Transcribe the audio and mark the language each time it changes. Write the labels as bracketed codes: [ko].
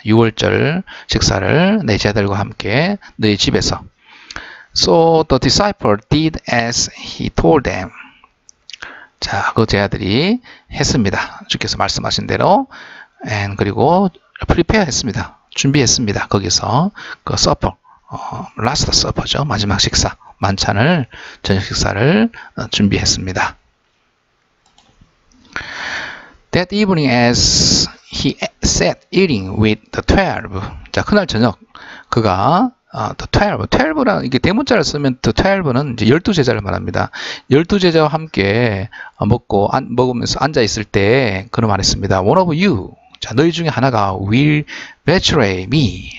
[ko] 유월절 식사를 내 제자들과 함께 너희 집에서. [en] So the disciple did as he told them. [ko] 자, 그 제자들이 했습니다. 주께서 말씀하신 대로. And 그리고 prepare 했습니다. 준비했습니다. 거기서 그 supper, last supper죠. 마지막 식사, 만찬을, 저녁 식사를 준비했습니다. [en] That evening as he sat eating with the 12. [ko] 자, 그날 저녁 그가 the 12라는 이게 대문자를 쓰면 the 12는 이제 12 제자를 말합니다. 12 제자와 함께 먹고 먹으면서 앉아 있을 때 그런 말을 했습니다. [en] One of you. 자, [ko] 너희 중에 하나가 [en] will betray me.